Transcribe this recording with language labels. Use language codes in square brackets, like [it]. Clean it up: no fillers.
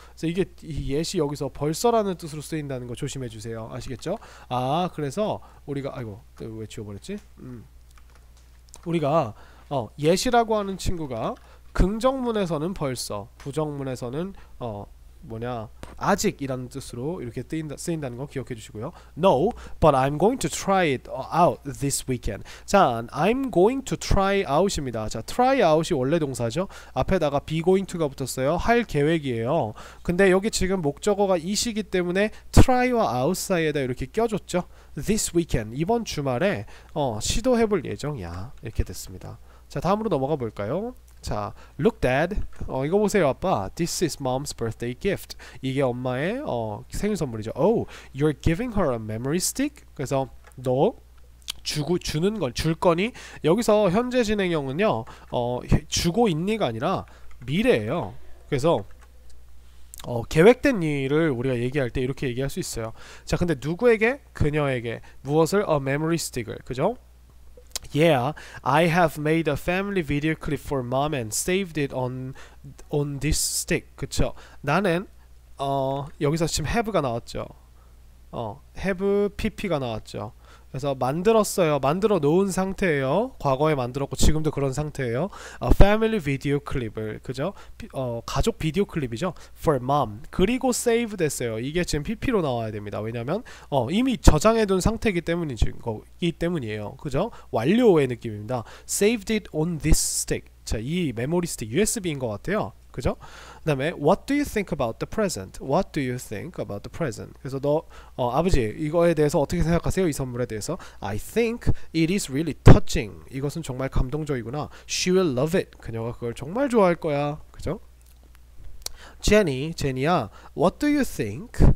[ko] 그래서 이게 이 yet이 여기서 벌써라는 뜻으로 쓰인다는 거 조심해 주세요. 아시겠죠? 아, 그래서 우리가 아이고, 왜 지워버렸지? 우리가 yet이라고 하는 친구가 긍정문에서는 벌써, 부정문에서는 뭐냐? 아직이라는 뜻으로 이렇게 쓰인다는 거 기억해 주시고요. [en] No, but I'm going to try it out this weekend. [ko] 자, [en] I'm going to try out [ko] 입니다. 자, try out이 원래 동사죠. 앞에다가 be going to가 붙었어요. 할 계획이에요. 근데 여기 지금 목적어가 이시기 때문에 try와 out 사이에다 이렇게 껴줬죠. [en] This weekend, [ko] 이번 주말에 시도해 볼 예정이야. 이렇게 됐습니다. 자, 다음으로 넘어가 볼까요? [en] 자, look dad. [ko] 이거 보세요, 아빠. [en] This is mom's birthday gift. [ko] 이게 엄마의 생일 선물이죠. [en] Oh, you're giving her a memory stick? [ko] 그래서 너 주는 걸줄 거니? 여기서 현재 진행형은요. 주고 있니가 아니라 미래예요. 그래서 계획된 일을 우리가 얘기할 때 이렇게 얘기할 수 있어요. 자, 근데 누구에게? 그녀에게. 무엇을? [en] A memory stick [ko] 을. 그죠? [en] Yeah, I have made a family video clip for mom and saved it on this stick. [ko] 그쵸? 나는 여기서 지금 have가 나왔죠. Have PP가 나왔죠. 그래서 만들었어요. 만들어 놓은 상태예요. 과거에 만들었고 지금도 그런 상태예요. [en] A family video clip [ko] 을 그죠? 가족 비디오 클립이죠. [en] For mom. [ko] 그리고 save 됐어요. 이게 지금 PP로 나와야 됩니다. 왜냐면 이미 저장해 둔 상태이기 때문이지. 거기 때문이에요. 그죠? 완료의 느낌입니다. [en] Saved it on this stick. [ko] 자, 이 메모리 스틱 USB인 것 같아요. 그죠? 그다음에 [en] what do you think about the present? What do you think about the present? [ko] 그래서 너 아버지 이거에 대해서 어떻게 생각하세요? 이 선물에 대해서? [en] I think it is really touching. [ko] 이것은 정말 감동적이구나. [en] She will love it. [ko] 그녀가 그걸 정말 좋아할 거야. 그죠? [en] Jenny, 제니야. What do you think?